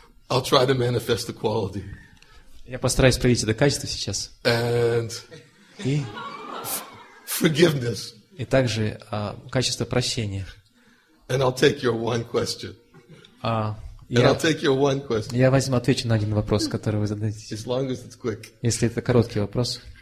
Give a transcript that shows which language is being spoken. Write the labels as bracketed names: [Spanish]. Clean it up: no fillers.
[English] I'll try to manifest the quality. [Russian] Я постараюсь проявить это качество сейчас. [English] And [Russian] и [English] forgiveness. [Russian] И также качество прощения. [English] And I'll take your one question. [Russian] Я возьму отвечу на один вопрос, который вы зададите. [English] As long as it's quick. [Russian] Если это короткий вопрос.